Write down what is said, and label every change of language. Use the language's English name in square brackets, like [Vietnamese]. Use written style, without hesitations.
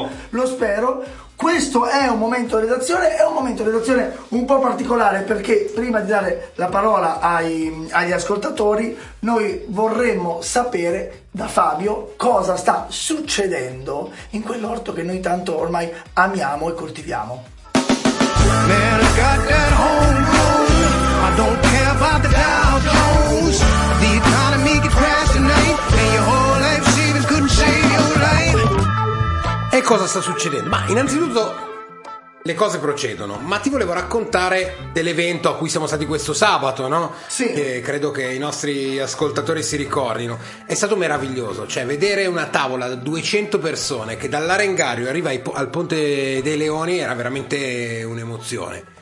[Italian] Lo spero. Questo è un momento di redazione, è un momento di redazione un po' particolare, perché prima di dare la parola agli ascoltatori, noi vorremmo sapere da Fabio cosa sta succedendo in quell'orto che noi tanto ormai amiamo e coltiviamo. [English] Man, I got that homegrown. I don't care about the Dow Jones. The economy can crash tonight, and your whole life savings couldn't save your life. [Italian] E cosa sta succedendo? Ma innanzitutto le cose procedono, ma ti volevo raccontare dell'evento a cui siamo stati questo sabato, no? Sì. Che credo che i nostri ascoltatori si ricordino. È stato meraviglioso, cioè vedere una tavola da 200 persone che dall'Arengario arriva al Ponte dei Leoni era veramente un'emozione.